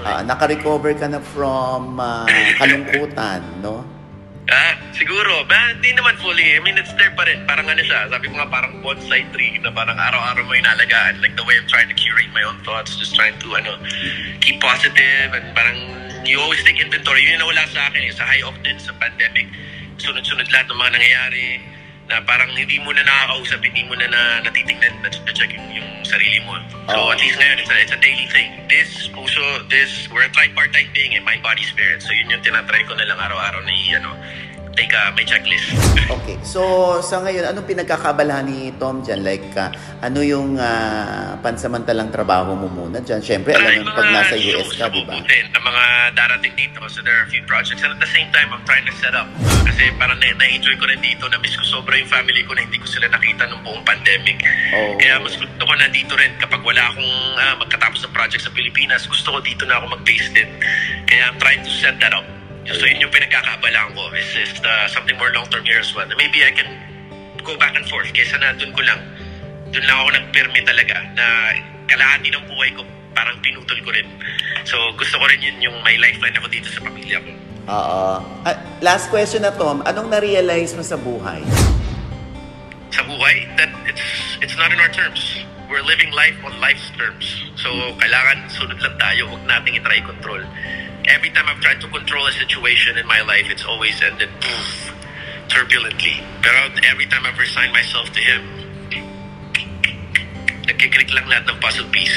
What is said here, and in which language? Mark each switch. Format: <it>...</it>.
<tl>Naka-recover ka na from kalungkutan, no? Siguro. Hindi naman fully.</tl> <en>I mean, it's there</en> <tl>pa rin. Parang ano siya. Sabi ko nga, parang bonsai tree na parang araw-araw mo inalagaan.</tl> <en>Like the way I'm trying to curate my own thoughts. Just trying to, keep positive. And parang, you always take inventory.</en> <tl>Yun yung nawala sa akin. Sa high octane, sa pandemic. Sunod-sunod lahat ng mga nangyayari. Na parang hindi mo na nakakausap. Hindi mo na natitingnan. Na-check yung sarili mo.</tl> <en>So at least ngayon, it's a daily thing.</en> <tl>This, puso, this,</tl> <en>we're a tripartite being, mind, body, spirit.</en> <tl>So yun yung tinatry ko na lang araw-araw na teka, may checklist. Okay. So, sa ngayon, anong pinagkakabalahan ni Tom dyan? Like, ano yung pansamantalang trabaho mo muna dyan? Siyempre, alam mo pag nasa US ka, diba? Ang mga darating dito.</tl> <en>So, there are a few projects. And at the same time, I'm trying to set up.</en> <tl>Kasi parang na-enjoy ko rin dito. Na-miss ko sobra yung family ko na hindi ko sila nakita nung buong pandemic. Oh. Kaya mas gusto ko nandito rin. Kapag wala akong magkatapos ng project sa Pilipinas, gusto ko dito na ako mag-base din.</tl> <en>Kaya I'm trying to set that up. So</en> <tl>yun yung pinagkakabalaan ko.</tl> <en>It's something more long-term here as well. Maybe I can go back and forth</en> <tl>kaysa na dun ko lang. Dun lang ako nagpirmi talaga na kalahati ng buhay ko parang pinutol ko rin. So gusto ko rin yun yung may lifeline ako dito sa pamilya ko. Oo. Last question na, Tom. Anong na-realize mo sa buhay? Sa buhay?</tl> <en>That it's not in our terms. We're living life on life's terms.</en> <tl>So kailangan sunod lang tayo. Huwag natin i-try control.</tl> <en>Every time I've tried to control a situation in my life, it's always ended turbulently. Pero every time I've resigned myself to him,</en> <tl>nagkikrik lang lahat ng puzzle piece.</tl>